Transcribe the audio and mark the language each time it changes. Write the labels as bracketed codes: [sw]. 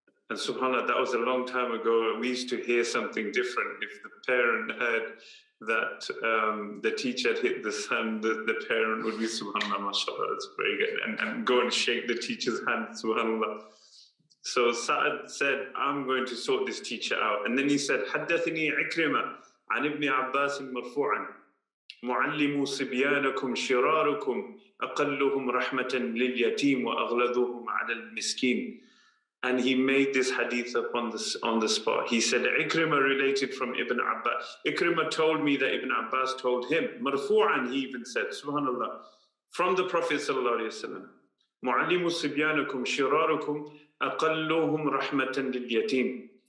[en] And subhanAllah, that was a long time ago. We used to hear something different. If the parent heard that the teacher had hit the son, the parent would be, subhanAllah, mashallah, that's very good, and go and shake the teacher's hand, subhanAllah. So Sa'd said, I'm going to sort this teacher out. And then he said, [ar] حدثني عكرمة عن ابن عباس مرفوعا معلموا صبيانكم شراركم أقلهم رحمة لليتيم وأغلظهم على المسكين. [en] And he made this hadith up on the spot. He said, Ikrimah related from Ibn Abbas. Ikrimah told me that Ibn Abbas told him, marfu'an, he even said, subhanAllah, from the Prophet sallallahu alayhi wa sallam, [ar] مُعَلِّمُ سِبْيَانُكُمْ شِرَارُكُمْ أَقَلُّهُمْ رَحْمَةً لِلْيَتِيمِ.